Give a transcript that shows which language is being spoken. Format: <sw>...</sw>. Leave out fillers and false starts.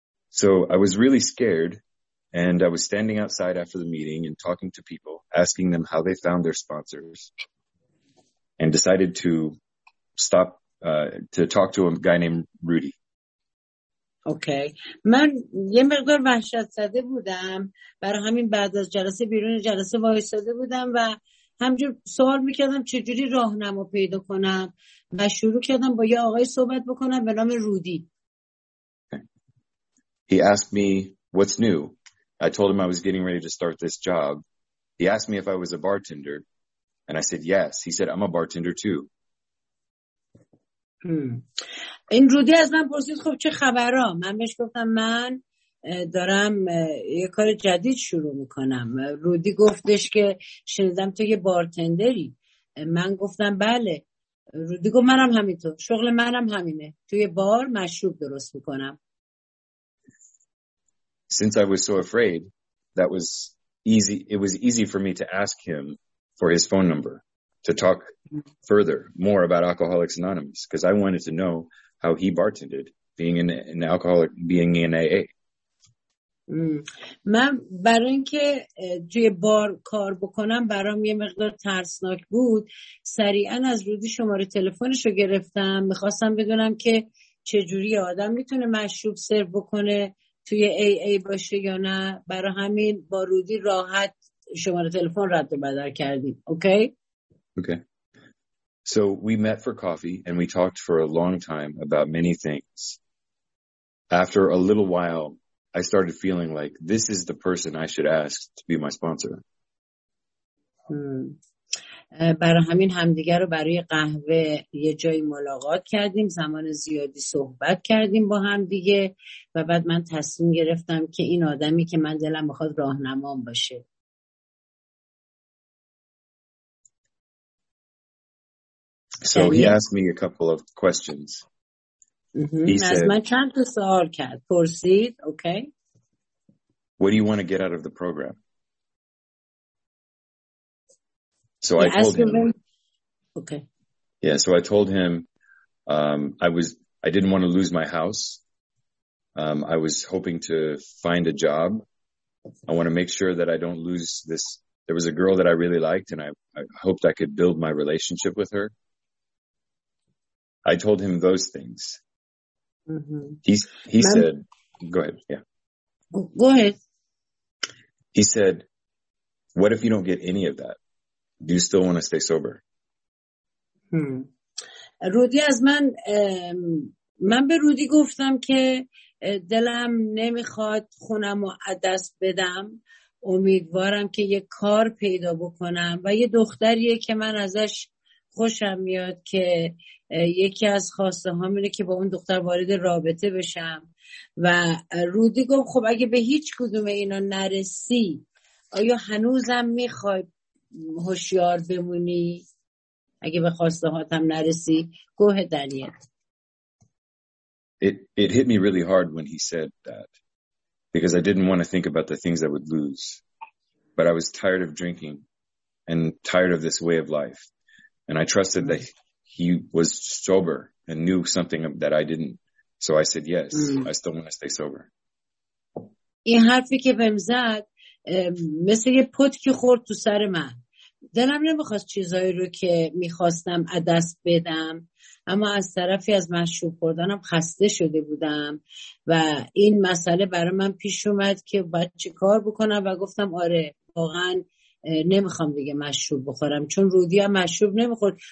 <en>So I was really scared and I was standing outside after the meeting and talking to people, asking them how they found their sponsors and decided to stop to talk to a guy named Rudy. Okay.</en> <fa>من یه مقدار وحشت زده بودم، برای همین بعد از جلسه بیرون جلسه وایساده بودم و همجور سوال میکردم چجوری راهنما پیدا کنم و شروع کردم با یه آقای صحبت بکنم به نام رودی.</fa> <en>He asked me what's new. I told him I was getting ready to start this job. He asked me if I was a bartender and I said yes. He said I'm a bartender too.</en> <fa>این رودی از من پرسید خب چه خبره؟ من بهش گفتم من دارم یه کار جدید شروع میکنم. رودی گفتش که شنیدم تو یه بارتندری. من گفتم بله. رودی گفت منم همینطور، شغل منم همینه، توی بار مشروب درست میکنم.</fa> <en>Since I was so afraid, it was easy for me to ask him for his phone number to talk further more about Alcoholics Anonymous because I wanted to know how he bartended being an alcoholic, being in AA.</en> <fa>من برای اینکه توی بار کار بکنم برام یه مقدار ترسناک بود، سریعا از رودی شماره تلفنش رو گرفتم. میخواستم بدونم که چجوری آدم میتونه مشروب سرو بکنه توی AA باشه یا نه. برای همین با رودی راحت شماره تلفن رد و بدل کردیم. اوکی.</fa> <en>Okay. So we met for coffee and we talked for a long time about many things. After a little while, I started feeling like this is the person I should ask to be my sponsor.</en> <fa>برای همین همدیگر رو برای قهوه یه جایی ملاقات کردیم، زمان زیادی صحبت کردیم با همدیگه و بعد من تصمیم گرفتم که این آدمی که من دلم بخواد راهنمام باشه.</fa> <en>So he asked me a couple of questions.</en> <fa>از من چند تا سوال کرد. پرسید، اوکی.</fa> <en>What do you want to get out of the program? So he I told him, okay. Yeah, so I told him I didn't want to lose my house. I was hoping to find a job. I want to make sure that I don't lose this. There was a girl that I really liked, and I hoped I could build my relationship with her. I told him those things. He said, go ahead. Yeah. Go ahead. He said, what if you don't get any of that? Do you still want to stay sober?</en> <fa>رودی از من من به رودی گفتم که دلم نمیخواد خونم رو از دست بدم، امیدوارم که یه کار پیدا بکنم و یه دختریه که من ازش خوشم میاد که یکی از خواسته هام اینه که با اون دختر وارد رابطه بشم و رودی گفت خب اگه به هیچ کدوم اینا نرسی آیا هنوزم میخوای هوشیار بمونی اگه به خواسته هاتم نرسی؟ گوه دانیل.</fa> <en>It hit me really hard when he said that because I didn't want to think about the things I would lose, but I was tired of drinking and tired of this way of life, and I trusted that he was sober and knew something that I didn't, so I said yes. I still want to stay sober.</en> <fa>این حرفی که بهم زد مثل یه پتکی خورد تو سر من. دلم نمیخواست چیزایی رو که میخواستم از دست بدم، اما از طرفی از مشروب خوردنم خسته شده بودم و این مسئله برای من پیش اومد که باید چی کار بکنم و گفتم آره واقعا نمیخوام دیگه مشروب بخورم، چون رودی هم مشروب نمیخورد.</fa>